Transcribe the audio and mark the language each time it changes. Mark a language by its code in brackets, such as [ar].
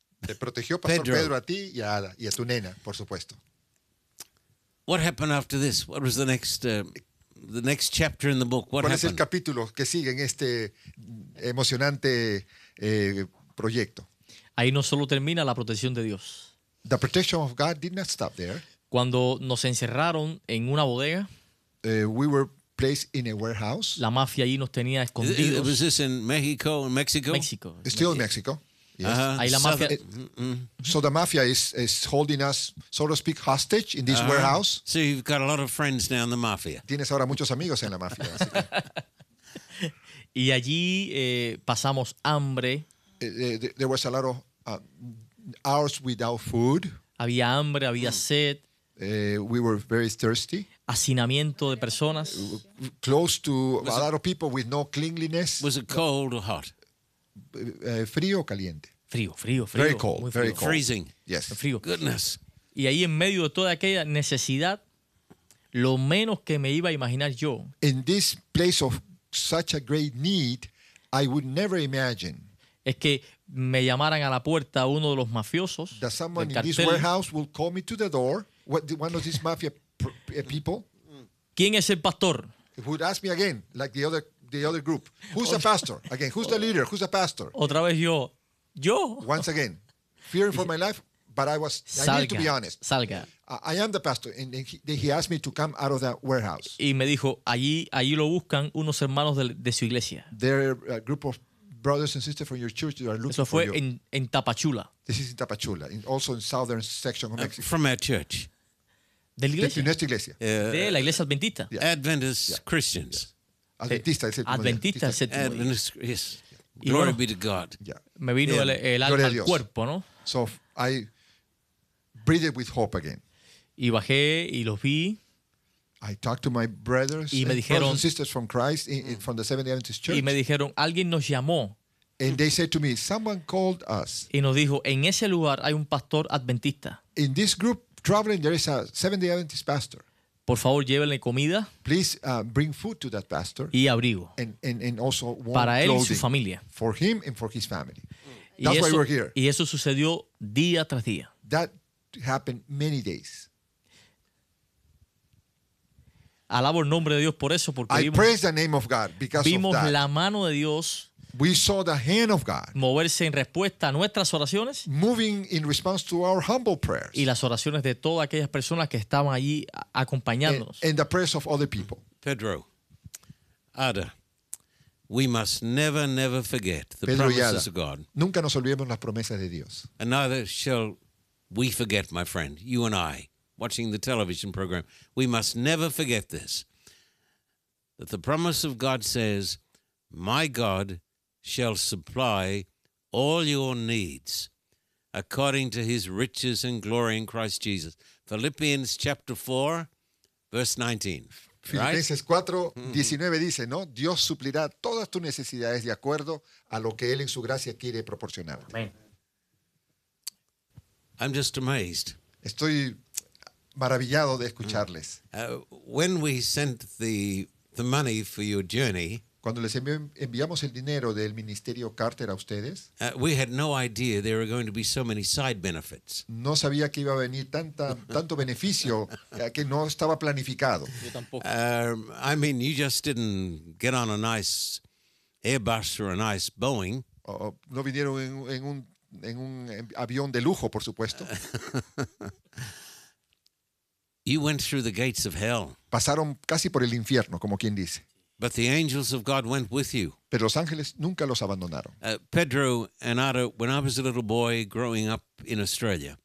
[es] Te protegió Pastor Pedro a ti y a Ada y a tu nena, por supuesto. [en] What happened after this? What was the next the next chapter in the book? What happened? [es] ¿Cuál es el capítulo que sigue en este emocionante proyecto? Ahí no solo termina la protección de Dios. [en] The protection of God did not stop there. [es] Cuando nos encerraron en una bodega, [en] we were placed in a warehouse. [es] La mafia allí nos tenía escondidos. [en] Was this in Mexico? In Mexico? Mexico. Still in Mexico. [es] Ahí la mafia. [en] So the mafia is holding us, so to speak, hostage in this warehouse. So you've got a lot of friends now in the mafia. [es] Tienes ahora muchos amigos en la mafia. Y allí pasamos hambre. [en] There was a lot of hours without food. [es] Había hambre, había sed. [en] We were very thirsty. [es] Hacinamiento de personas. [en] Close to a lot of people with no cleanliness. Was it cold or hot? [es] Frío o caliente. Frío. [en] Very cold. [es] Muy frío. [en] Very cold. Freezing. Yes. [es] Frío. [en] Goodness. [es] Y ahí en medio de toda aquella necesidad, lo menos que me iba a imaginar yo. [en] In this place of such a great need, I would never imagine. [es] Es que me llamaran a la puerta uno de los mafiosos. [en] That someone in this warehouse will call me to the door. What, one of these mafia people. [es] ¿Quién es el pastor? [en] It would ask me again, like the other group. Who's the pastor? Again, who's the leader? Who's the pastor? [es] Otra vez yo. [en] Once again, fearing for my life, but I was, [es] salga, [en] I need to be honest. [es] Salga. [en] I am the pastor, and he asked me to come out of that warehouse. [es] Y me dijo, allí lo buscan unos hermanos de su iglesia. [en] There are a group of brothers and sisters from your church that are looking for you. [es] Eso fue en Tapachula. [en] This is in Tapachula, also in southern section of Mexico. From our church. [es] De la iglesia. De nuestra iglesia. De la iglesia adventista. [en] Yeah. Adventist yeah. Christians. Yeah. [es] Adventista, el séptimo día. [en] Yes. Glory be to God. [es] Me vino el alma al cuerpo, ¿no? [en] So I breathed with hope again. [es] Y bajé y los vi. [en] I talked to my brothers, [es] y me dijeron, [en] brothers and sisters from Christ, from the Seventh-day Adventist Church. [es] Y me dijeron, alguien nos llamó. [en] And they said to me, someone called us. [es] Y nos dijo, en ese lugar hay un pastor adventista. [en] In this group traveling, there is a Seventh-day Adventist pastor. [es] Por favor, llévenle comida. [en] Please bring food to that pastor. [es] Y abrigo. [en] And also warm [es] para él [en] clothing [es] y su familia. [en] For him and for his family. That's [es] eso, [en] why we're here. [es] Y eso sucedió día tras día. [en] That happened many days. [es] Alabo el nombre de Dios por eso, porque [en] I praise the name of God because [es] vimos [en] of that. [es] La mano de Dios. [en] We saw the hand of God [es] moverse en respuesta a nuestras oraciones, [en] moving in response to our humble prayers, [es] y las oraciones de todas aquellas personas que estaban allí acompañándonos, [en] and the prayers of other people. Pedro, Ada, we must never, never forget the Pedro promises Ada, of God. [es] Nunca nos olvidemos las promesas de Dios. [en] And neither shall we forget, my friend, you and I, watching the television program. We must never forget this, that the promise of God says, my God shall supply all your needs according to his riches and glory in Christ Jesus. Philippians chapter 4, verse 19. Right? [es] Filipenses 4, 19 dice, ¿no? Dios suplirá todas tus necesidades de acuerdo a lo que él en su gracia quiere proporcionarte. [en] Amen. I'm just amazed. [es] Estoy maravillado de escucharles. [en] When we sent the money for your journey, [es] cuando les enviamos el dinero del Ministerio Carter a ustedes, [en] we had no idea there were going to be so many side benefits. [es] No sabía que iba a venir tanto beneficio que no estaba planificado. Yo tampoco. [en] I mean, you just didn't get on a nice Airbus or a nice Boeing. [es] No vinieron en un avión de lujo, por supuesto. [en] You went through the gates of hell. [es] Pasaron casi por el infierno, como quien dice. [en] But the angels of God went with you. [es] Pero los ángeles nunca los abandonaron. [en] Pedro and Ada, when I was a little boy growing up in Australia.